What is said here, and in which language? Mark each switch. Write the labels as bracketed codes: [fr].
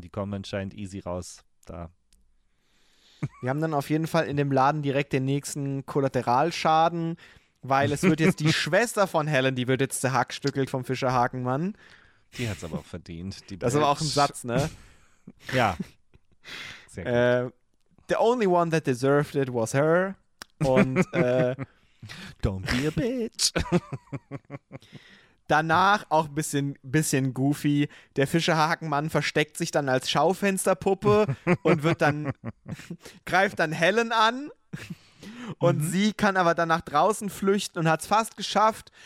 [de] Die kommen anscheinend easy raus da. Wir haben dann auf jeden Fall in dem Laden direkt den nächsten Kollateralschaden, weil es wird jetzt die Schwester von Helen, die wird jetzt zerhackstückelt vom Fischer Hakenmann. Die hat es aber auch verdient. Die das ist aber auch ein Satz, ne? Ja. Sehr gut. [en] The only one that deserved it was her. [de] Und [en] don't be a bitch. [de] Danach auch ein bisschen goofy. Der Fischerhakenmann versteckt sich dann als Schaufensterpuppe und wird dann greift dann Helen an. Und sie kann aber dann nach draußen flüchten und hat es fast geschafft.